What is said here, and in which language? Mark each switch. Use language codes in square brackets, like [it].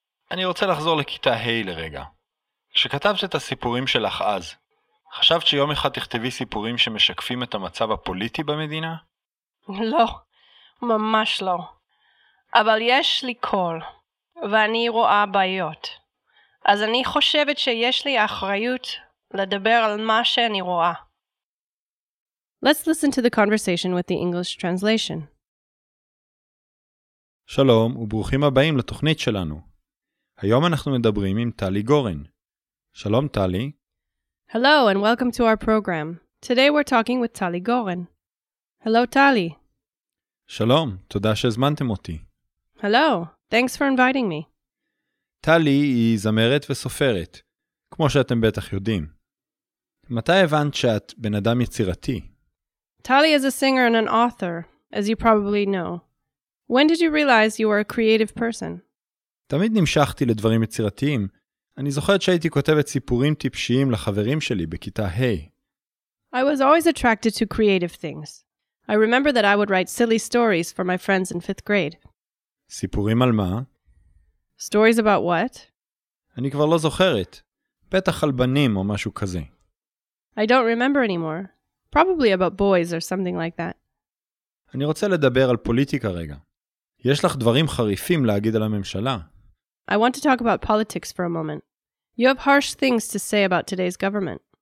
[he] אני רוצה לחזור לכיתה ה' לרגע. כשכתבת את הסיפורים שלך אז, חשבת שיום אחד תכתבי סיפורים שמשקפים את המצב הפוליטי במדינה? לא, ממש לא. אבל יש לי קול, ואני רואה בעיות. אז אני חושבת שיש לי אחריות לדבר על מה שאני רואה. [en] Let's listen to the conversation with the English translation. [he] שלום וברוכים הבאים לתוכנית שלנו. היום אנחנו מדברים עם טלי גורן. שלום טלי. [en] Hello and welcome to our program. Today we're talking with טלי גורן. Hello טלי. [he] שלום, תודה שהזמנתם אותי. [en] Hello, thanks for inviting me. [he] טלי היא זמרת וסופרת, כמו שאתם בטח יודעים. מתי הבנת שאת בן אדם יצירתי? [en] Tali is a singer and an author, as you probably know. When did you realize you were a creative person? [he] תמיד נמשכתי לדברים יצירתיים. אני זוכרת שהייתי כותבת סיפורים טיפשיים לחברים שלי בכיתה ה'. [en] I was always attracted to creative things. I remember that I would write silly stories for my friends in fifth grade. [he] סיפורים על מה? [en] Stories about what? [he] אני כבר לא זוכרת. בטח על בנים או משהו כזה. [en] I don't remember anymore. Probably about boys or something like that. [he] אני רוצה לדבר על פוליטיקה רגע. יש לך דברים חריפים להגיד על הממשלה. [en] I want to talk about politics for a moment. You have harsh things to say about today's government.